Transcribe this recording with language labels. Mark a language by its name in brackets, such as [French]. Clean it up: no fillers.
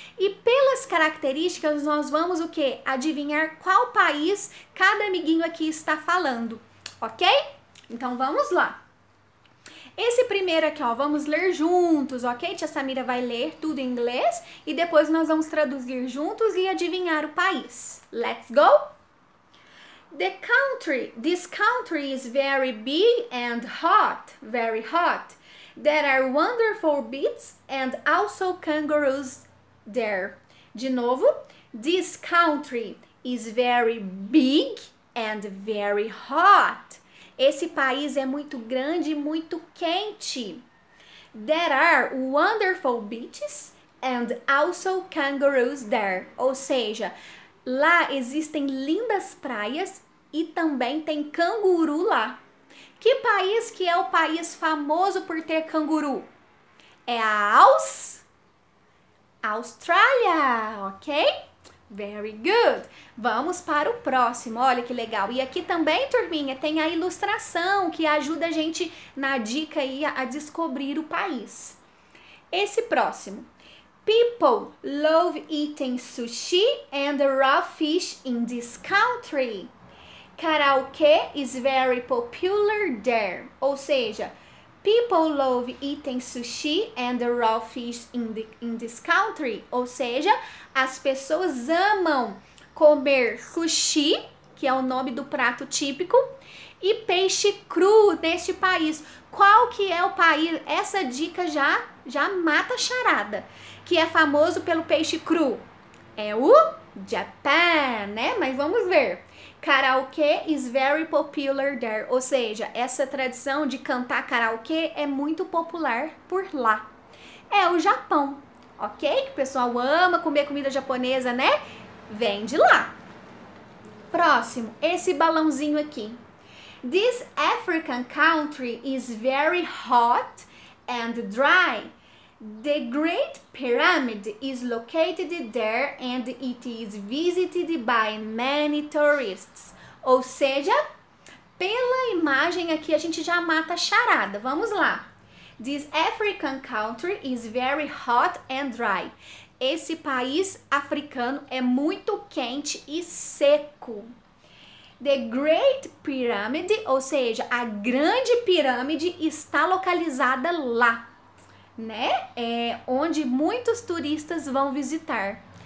[Portuguese] E pelas características nós vamos o quê? Adivinhar qual país cada amiguinho aqui está falando. Ok? Então vamos lá. Esse primeiro aqui, ó, vamos ler juntos, ok? Tia Samira vai ler tudo em inglês e depois nós vamos traduzir juntos e adivinhar o país. [English] Let's go! The country, this country is very big and hot, very hot. There are wonderful beasts and also kangaroos there. [Portuguese] De novo, [English] this country is very big and very hot. [Portuguese] Esse país é muito grande e muito quente. [English] There are wonderful beaches and also kangaroos there. [Portuguese] Ou seja, lá existem lindas praias e também tem canguru lá. Que país que é o país famoso por ter canguru? É a Austrália, ok? [English] Very good. [Portuguese] Vamos para o próximo. Olha que legal. E aqui também, turminha, tem a ilustração que ajuda a gente na dica aí a descobrir o país. Esse próximo. [English] People love eating sushi and raw fish in this country. Karaoke is very popular there. [Portuguese] Ou seja, [English] people love eating sushi and raw fish in this country. [Portuguese] Ou seja, as pessoas amam comer sushi, que é o nome do prato típico, e peixe cru neste país. Qual que é o país? Essa dica já mata a charada. Que é famoso pelo peixe cru? É o Japan, né? Mas vamos ver. [English] Karaoke is very popular there. [Portuguese] Ou seja, essa tradição de cantar karaoke é muito popular por lá. É o Japão, ok? Que o pessoal ama comer comida japonesa, né? Vem de lá. Próximo, esse balãozinho aqui. [English] This African country is very hot and dry. The Great Pyramid is located there and it is visited by many tourists. [Portuguese] Ou seja, pela imagem aqui a gente já mata a charada. Vamos lá. [English] This African country is very hot and dry. [Portuguese] Esse país africano é muito quente e seco. [English] The Great Pyramid, [Portuguese] ou seja, a Grande Pirâmide está localizada lá. Né? É onde muitos turistas vão visitar.